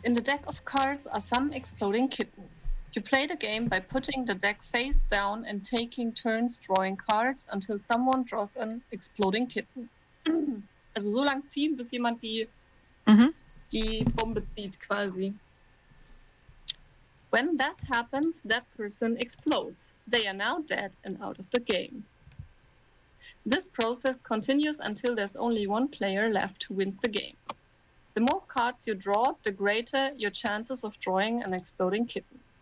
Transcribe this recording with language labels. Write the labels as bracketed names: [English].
[English] In the deck of cards are some exploding kittens. You play the game by putting the deck face down and taking turns drawing cards until someone draws an exploding kitten. [German] Also so lang ziehen, bis jemand die Bombe zieht, quasi. [English] When that happens, that person explodes. They are now dead and out of the game. This process continues until there's only one player left who wins the game. The more cards you draw, the greater your chances of drawing an exploding kitten.